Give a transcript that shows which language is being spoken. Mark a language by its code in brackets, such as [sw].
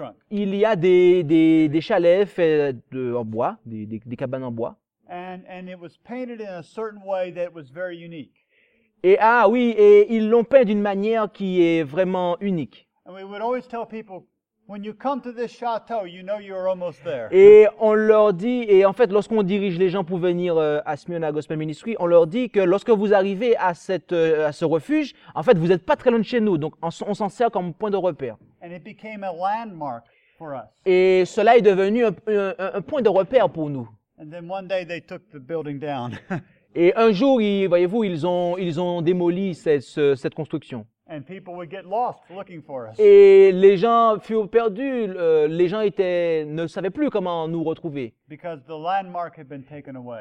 [fr] Il y a des chalets faits en bois, des cabanes en bois. [en] And it was painted in a certain way that was very unique. [fr] Et ils l'ont peint d'une manière qui est vraiment unique. [en] And we would always tell people, when you come to this chateau, you know you're almost there. [fr] Et on leur dit, et en fait, lorsqu'on dirige les gens pour venir à Smyrna Gospel Ministry, on leur dit que lorsque vous arrivez à ce refuge, en fait, vous n'êtes pas très loin de chez nous, donc on s'en sert comme point de repère. [en] And it became a landmark for us. [fr] Et cela est devenu un point de repère pour nous. [en] And then one day they took the building down. [fr] Et un jour, voyez-vous, ils ont démoli cette construction. [en] And people would get lost looking for us. [fr] Et les gens furent perdus, les gens ne savaient plus comment nous retrouver. [en] Because the landmark had been taken away.